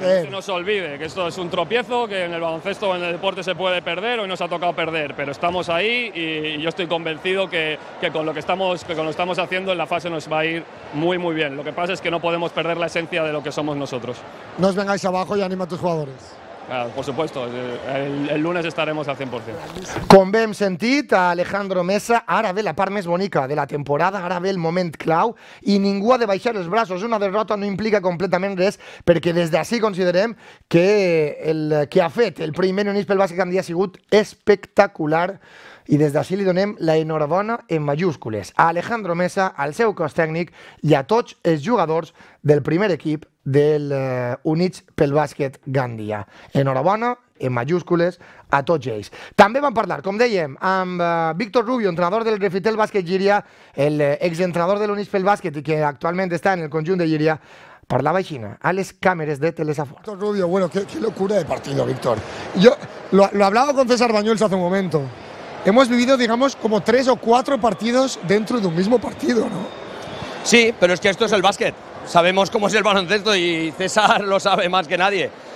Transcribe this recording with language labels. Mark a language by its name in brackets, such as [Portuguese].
[Spanish] No se olvide que esto es un tropiezo, que en el baloncesto o en el deporte se puede perder, hoy nos ha tocado perder, pero estamos ahí y yo estoy convencido que con lo que estamos haciendo en la fase nos va a ir muy, muy bien. Lo que pasa es que no podemos perder la esencia de lo que somos nosotros. No os vengáis abajo y anima a tus jugadores. Claro, por supuesto, el lunes estaremos al 100%. [Catalan] Con Bem Sentit, a Alejandro Mesa, ara ve la part més bonica de la temporada, ara ve el moment clau i ningú ha de baixar els braços. Una derrota no implica completament res perquè des d'ací considerem que el que ha fet el primer Unix pel bàsquet ha sigut espectacular i des d'ací li donem la enhorabona en majúscules a Alejandro Mesa, al seu cos tècnic i a tots els jugadors del primer equip del Units pel Bàsquet Gandia. Enhorabona, en majúscules, a tots ells. També vam parlar, com dèiem, amb Víctor Rubio, entrenador del Grefitel Bàsquet Llíria, l'exentrenador de l'Units pel Bàsquet i que actualment està en el conjunt de Llíria. Parlava així, a les càmeres de Telesafor. [Spanish] Víctor Rubio, bueno, qué locura de partido, Víctor. Yo lo hablaba con César Bañuels hace un momento. Hemos vivido, digamos, como tres o cuatro partidos dentro de un mismo partido, ¿no? Sí, pero es que esto es el básquet. Sabemos cómo es el baloncesto y César lo sabe más que nadie.